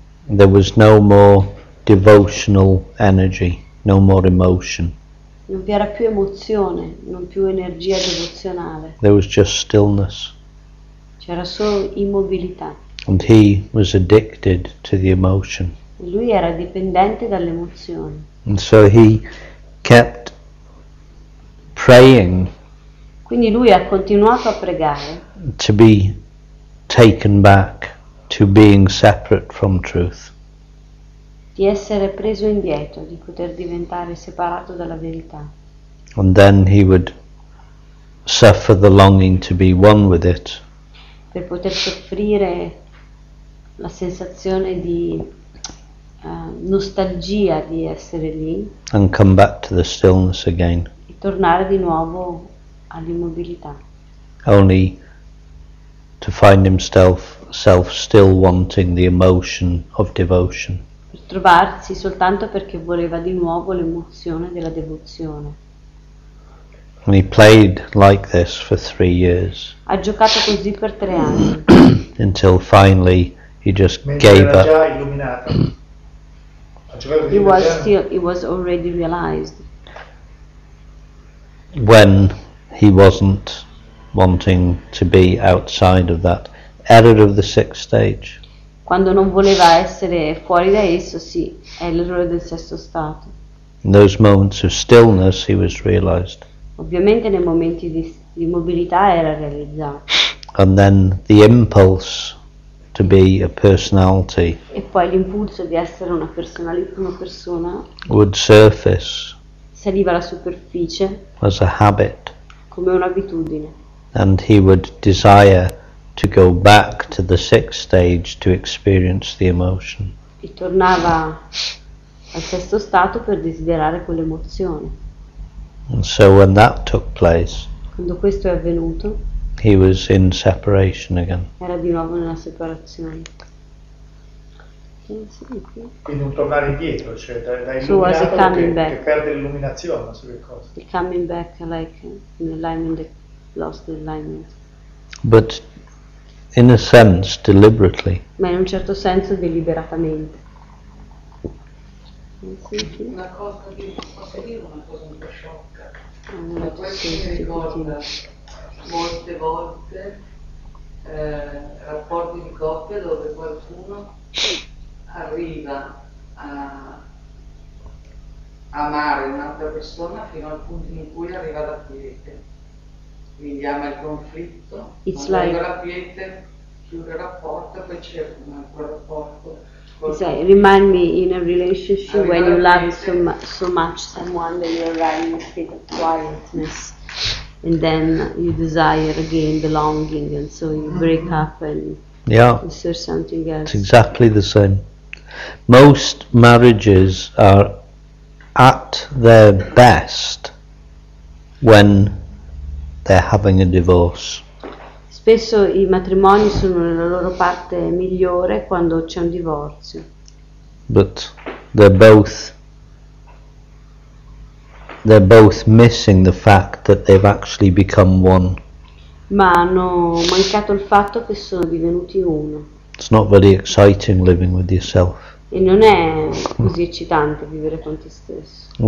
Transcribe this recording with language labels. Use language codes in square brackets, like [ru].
[en] There was no more devotional energy, no more emotion. [it] Non vi era più emozione, non più energia devozionale. [en] There was just stillness. [it] C'era solo immobilità. [en] And he was addicted to the emotion. [it] E lui era dipendente dall'emozione. [en] And so he kept praying. [it] Quindi lui ha continuato a pregare. [en] To be taken back to being separate from truth. [it] Di essere preso indietro, di poter diventare separato dalla verità. [en] And then he would suffer the longing to be one with it. [it] Per poter soffrire la sensazione di nostalgia di essere lì. [en] And come back to the stillness again. [it] E tornare di nuovo all'immobilità. [en] Only to find himself still wanting the emotion of devotion. [it] Trovarsi soltanto perché voleva di nuovo l'emozione della devozione. [en] And he played like this for 3 years. [it] Ha giocato così per 3 anni. [en] Until finally he just gave up. [it] Mentre era già illuminato. [en] He was already realized. When he wasn't wanting to be outside of that error of the sixth stage. [it] Quando non voleva essere fuori da esso, sì, è l'errore del sesto stato. [en] In those moments of stillness he was realized. [it] Ovviamente nei momenti di immobilità era realizzato. [en] And then the impulse to be a personality. [it] E poi l'impulso di essere una persona [en] would surface. [it] Saliva alla superficie. [en] As a habit. [it] Come un'abitudine. [en] And he would desire to go back to the sixth stage to experience the emotion. [it] E tornava al sesto stato per desiderare quell'emozione. [en] And so when that took place, [it] quando questo è avvenuto, [en] he was in separation again. [it] Era di nuovo nella separazione. Quindi un tornare indietro, cioè dall'illuminato che perde l'illuminazione, su che cosa? [en] Il coming back, like in alignment, lost alignment. But in a sense, deliberately. [it] Ma in un certo senso, deliberatamente. Una cosa che posso dire, una cosa un po' sciocca. Ma questo mi ricorda molte volte rapporti di coppia dove qualcuno arriva a amare un'altra persona fino al punto in cui arriva la quiete. Quindi ama il conflitto, quando la quiete chiude la porta, poi c'è un altro rapporto [en] say, remind me, in a relationship, when you love so much someone that you arrive in a state of quietness, and then you desire again belonging, and so you break up and yeah, search something else. It's exactly the same. Most marriages are at their best when they're having a divorce. [it] Spesso I matrimoni sono nella loro parte migliore quando c'è un divorzio. [en] But they're both missing the fact that they've actually become one. [it] Ma hanno mancato il fatto che sono divenuti uno. [en] It's not very exciting living with yourself. [it] E non è così eccitante vivere con te stesso.